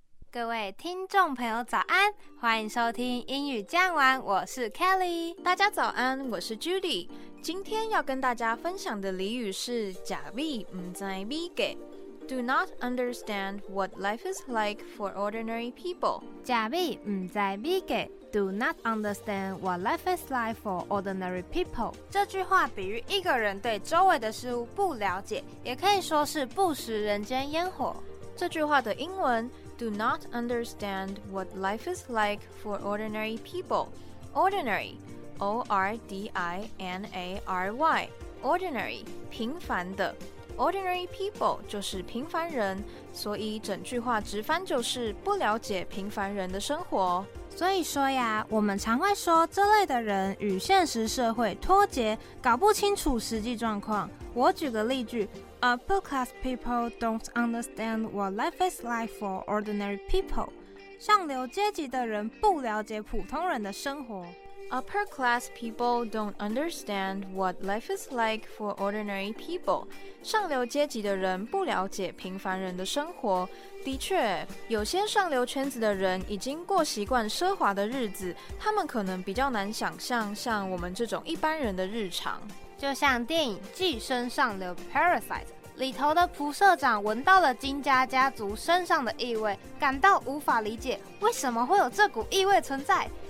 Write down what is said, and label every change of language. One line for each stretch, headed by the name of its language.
Chinese: 各位听众朋友早安，欢迎收听英语讲完，我是 Kelly。大家早安，我是 Judy。今天要跟大家分享的俚语是假米不知米价。
English: Do not understand what life is like for ordinary people。
Chinese: 假米不知米价。
English: Do not understand what life is like for ordinary people。
Chinese: 这句话比喻一个人对周围的事物不了解，也可以说是不食人间烟火。这句话的英文
English: Do not understand what life is like for ordinary people.
Chinese: Ordinary, O-R-D-I-N-A-R-Y, ordinary, 平凡的。 Ordinary people 就是平凡人，所以整句话直翻就是不了解平凡人的生活。所以说呀，我们常会说这类的人与现实社会脱节，搞不清楚实际状况。我举个例句，
English: Upper class people don't understand what life is like for ordinary people.
Chinese: 上流阶级的人不了解普通人的生活。
English: Upper class people don't understand what life is like for ordinary people.
Chinese: 上流阶级的人不了解平凡人的生活。的确，有些上流圈子的人已经过习惯奢华的日子，他们可能比较难想象像我们这种一般人的日常。就像电影《寄生上流》（Parasite） 里头的蒲社长闻到了金家家族身上的异味，感到无法理解为什么会有这股异味存在。